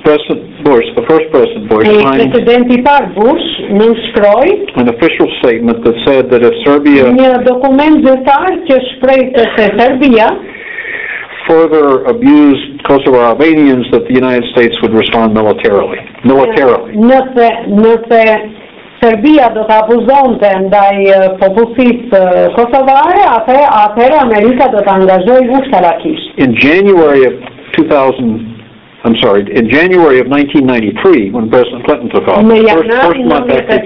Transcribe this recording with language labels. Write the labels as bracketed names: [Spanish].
[English] President Bush, the first President Bush, signed an official statement that said that if Serbia further abused Kosovo Albanians, that the United States would respond militarily. [Albanian] Nëse Serbia do të abuzonte ndaj popullsisë kosovare, atëherë Amerika do të angazhojë ushtarakisht. [English] In January of 1993, when President Clinton took office,